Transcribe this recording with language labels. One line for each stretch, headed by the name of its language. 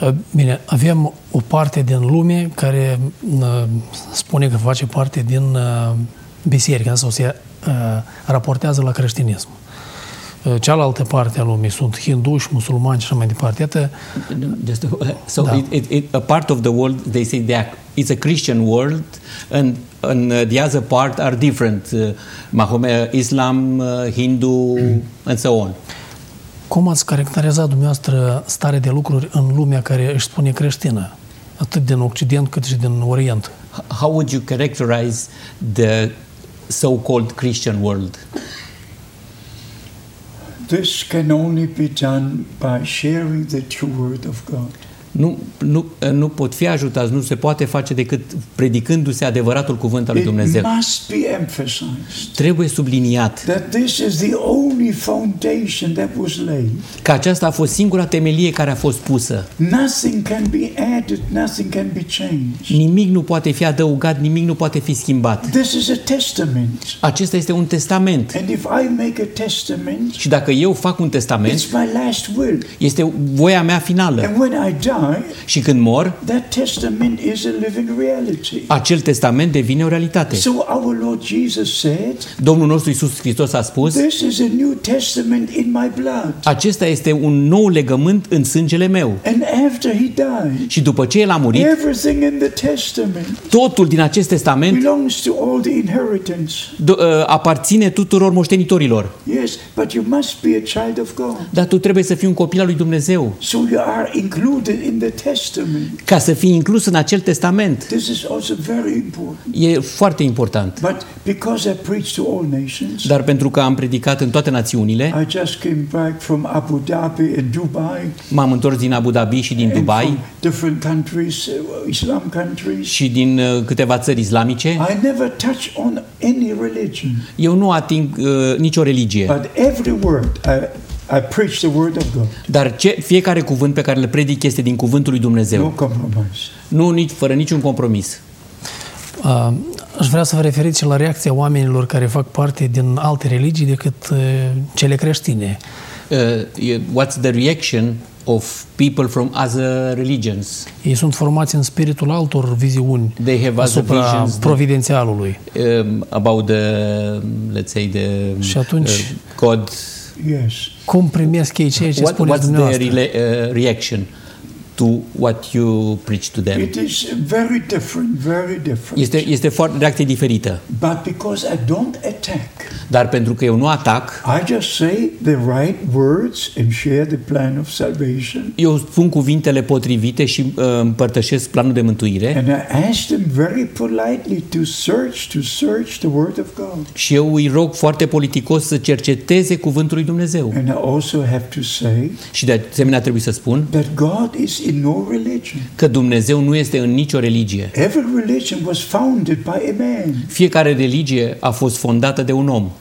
Romanian: Bine, avem o parte din lume care spune că face parte din biserica sau se raportează la creștinism. Cealaltă parte a lumii sunt hinduși, musulmani și așa mai departe.
English: A part of the world, they say that it's a Christian world, and the other part are different. Islam, Hindu, and so on.
Romanian: Cum ați caracterizat dumneavoastră starea de lucruri în lumea care își spune creștină? Atât din Occident cât și din Orient.
English: How would you characterize the so-called Christian world? This can only be done by sharing the true word of God.
Romanian: Nu pot fi ajutat, nu se poate face decât predicându-se adevăratul cuvânt al lui Dumnezeu.
English: It must be emphasized.
Romanian: Trebuie subliniat
English: that this is the only foundation that was laid.
Romanian: Că aceasta a fost singura temelie care a fost pusă.
English: Nothing can be added, nothing can be changed.
Romanian: Nimic nu poate fi adăugat, nimic nu poate fi schimbat.
English: This is a testament.
Romanian: Acesta este un testament.
English: And if I make a testament,
Romanian: și dacă eu fac un testament,
English: it's my last will.
Romanian: Este voia mea finală.
English: And when I die,
Romanian: și când mor,
English: that testament is a living reality.
Romanian: Acel testament devine o realitate.
English: So our Lord Jesus said,
Romanian: Domnul nostru Iisus Hristos a spus,
English: this is a new testament in my blood.
Romanian: Acesta este un nou legământ în sângele meu.
English: And after he died,
Romanian: și după ce el a murit,
English: everything in the testament,
Romanian: totul din acest testament
English: belongs to all the inheritance.
Romanian: Aparține tuturor moștenitorilor.
English: Yes, but you must be a child of God.
Romanian: Dar tu trebuie să fii un copil al lui Dumnezeu.
English: So you are included in the testament.
Romanian: Ca să fii inclus în acel testament.
English: This is also very important.
Romanian: E foarte important.
English: But because I preach to all nations,
Romanian: dar pentru că am predicat în toate națiunile,
English: I just came back from Abu Dhabi and Dubai,
Romanian: m-am întors din Abu Dhabi și din Dubai,
English: and from different countries, Islam countries,
Romanian: și din câteva țări islamice.
English: I never touch on any religion.
Romanian: Eu nu ating nicio religie.
English: But every word I preach the word of God.
Romanian: Dar fiecare cuvânt pe care îl predic este din cuvântul lui Dumnezeu.
English: No compromise.
Romanian: Nu, nici fără niciun compromis. Aș vrea să vă referiți și la reacția oamenilor care fac parte din alte religii decât cele creștine.
English: What's the reaction of people from other religions?
Romanian: Ei sunt formați în spiritul altor viziuni.
English: They have
Romanian: asupra
English: other visions
Romanian: providențialului.
English: About the, let's say, the
Romanian: și atunci,
English: God. Yes.
Romanian: Cum primesc ei ceea ce spuneți
English: what's
Romanian: dumneavoastră?
English: What's their reaction to what you preach to them? It is very different, very different.
Romanian: Este foarte reacție diferită.
English: But because I don't attack.
Romanian: Dar pentru că eu nu atac.
English: I just say the right words and share the plan of salvation.
Romanian: Eu spun cuvintele potrivite și împărtășesc planul de mântuire.
English: And I ask them very politely to search the word of God.
Romanian: Și eu îi rog foarte politicos să cerceteze cuvântul lui Dumnezeu.
English: And I also have to say.
Romanian: Și de asemenea trebuie să spun.
English: That God is in no religion.
Romanian: Că Dumnezeu nu este în nicio religie.
English: Every religion was founded by a man.
Romanian: Fiecare religie a fost fondată de un om.